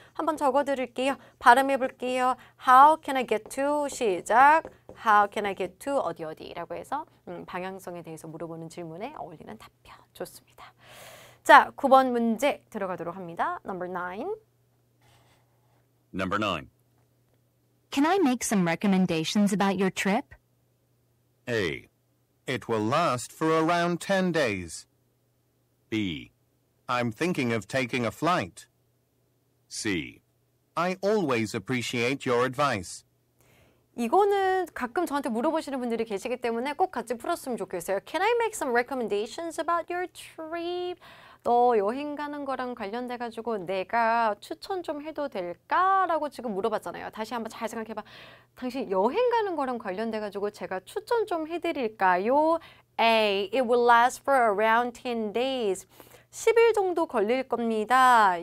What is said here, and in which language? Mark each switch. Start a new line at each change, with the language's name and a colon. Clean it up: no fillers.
Korean: 한번 적어드릴게요. 발음해볼게요.
English: How can I get to?
Korean: 시작.
English: How can I get to?
Korean: 어디 어디? 라고 해서 방향성에 대해서 물어보는 질문에 어울리는 답변. 좋습니다. 자, 9번 문제 들어가도록 합니다.
English: Number 9. Number 9. Can I make some recommendations about your trip? A. It will last for around 10 days. B. I'm thinking of taking a flight. C. I always appreciate your advice.
Korean: 이거는 가끔 저한테 물어보시는 분들이 계시기 때문에 꼭 같이 풀었으면 좋겠어요.
English: Can I make some recommendations about your trip?
Korean: 너 여행 가는 거랑 관련돼가지고 내가 추천 좀 해도 될까? 라고 지금 물어봤잖아요. 다시 한번 잘 생각해봐. 당신 여행 가는 거랑 관련돼가지고 제가 추천 좀 해드릴까요?
English: A. It will last for around 10 days.
Korean: 10일 정도 걸릴 겁니다.